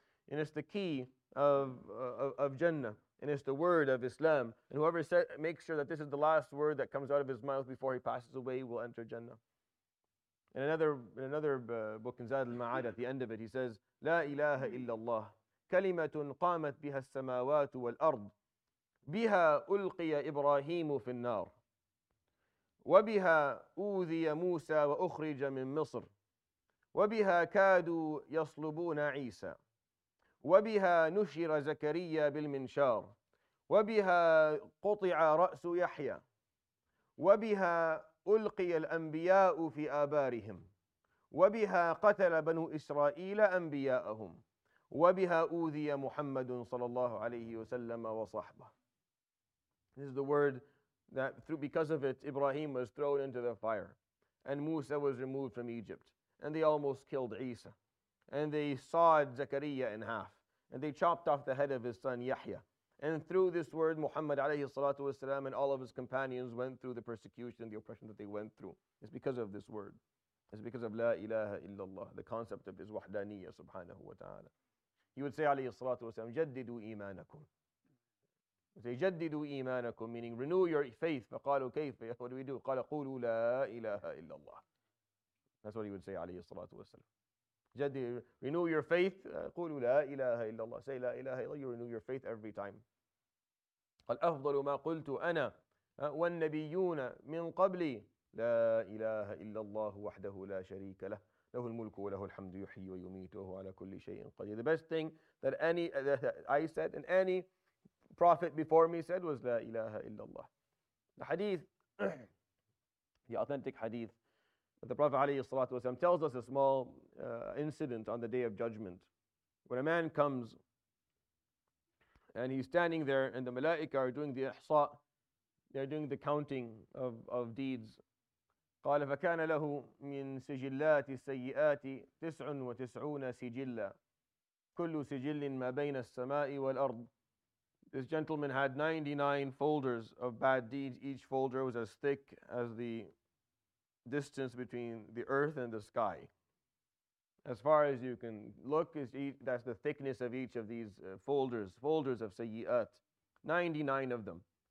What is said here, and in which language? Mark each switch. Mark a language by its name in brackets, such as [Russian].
[English] And it's the key of Jannah. And it's the word of Islam. And whoever makes sure that this is the last word that comes out of his mouth before he passes away will enter Jannah. In another book, in Zad al-Ma'ad, at the end of it, he says, [Arabic] La ilaha illallah, kalimatun qamat biha as-samawatu wal-ard. بها ألقي إبراهيم في النار وبها أوذي موسى وأخرج من مصر وبها كادوا يصلبون عيسى وبها نشر زكريا بالمنشار وبها قطع رأس يحيى وبها ألقي الأنبياء في آبارهم وبها قتل بنو إسرائيل أنبياءهم وبها أوذي محمد صلى الله عليه وسلم وصحبه. [English] This is the word that because of it, Ibrahim was thrown into the fire. And Musa was removed from Egypt. And they almost killed Isa. And they sawed Zakariya in half. And they chopped off the head of his son Yahya. And through this word, Muhammad alayhi salatu wasalam and all of his companions went through the persecution and the oppression that they went through. It's because of this word. It's because of La ilaha illallah, the concept of his wahdaniyya subhanahu wa ta'ala. He would say alayhi salatu wasalam, [Arabic] Jaddidu imanakum. [English] Say, jaddidu imanakum, meaning renew your faith. [Arabic] فَقَالُوا كَيْفَ, [English] what do we do? [Arabic] قَالَ قُولُوا لَا إِلَهَ إِلَّا اللَّهِ. [English] That's what he would say, alayhi salatu wasalam. Renew your faith. [Arabic] قُولُوا لَا إِلَهَ إِلَّا اللَّهِ. [English] Say, [Arabic] لَا إِلَهَ إِلَّا اللَّهِ. [English] You renew your faith every time. [Arabic] قَالْ أَفْضَلُ مَا قُلْتُ أَنَا وَالنَّبِيُّونَ مِنْ قَبْلِي لَا إِلَهَ إِلَّا اللَّهُ وَحْدَهُ لَا شَرِيكَ لَهُ له الملك وله الحمد يحيي ويميت وهو على كل شيء قدير. [English] The best thing that I said and any Prophet before me said was La ilaha illallah. The hadith, the authentic hadith, that the Prophet alayhi salatu wasalam tells us a small incident on the Day of Judgment. When a man comes and he's standing there and the malaika are doing the ihsa, they're doing the counting of deeds. [Arabic] قال فكان له من سجلات السيئات 99 سجلا كل سجل ما بين السماء والأرض. [English] This gentleman had 99 folders of bad deeds. Each folder was as thick as the distance between the earth and the sky. As far as you can look, that's the thickness of each of these folders of sayyi'at. 99 of them.